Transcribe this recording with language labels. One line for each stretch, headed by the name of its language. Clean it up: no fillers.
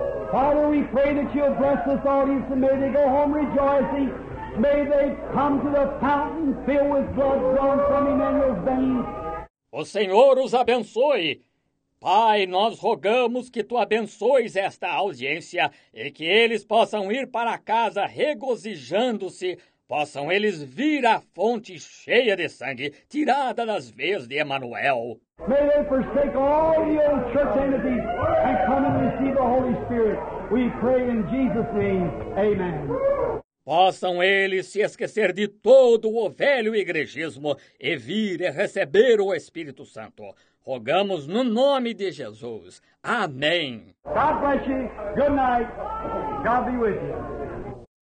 English: Father, we pray that you'll bless this audience and may they go home rejoicing. May they come to the fountain filled with blood drawn from Emmanuel's veins.
Portuguese: O Senhor os abençoe. Pai, nós rogamos que tu abençoes esta audiência e que eles possam ir para casa regozijando-se. Possam eles vir à fonte cheia de sangue, tirada das veias de Emmanuel.
English: May they forsake all the old church entities and come and receive the Holy Spirit. We pray in Jesus' name. Amen.
Portuguese: Possam eles se esquecer de todo o velho igrejismo e vir e receber o Espírito Santo. Rogamos no nome de Jesus. Amém.
English: God bless you. Good night. God be with you.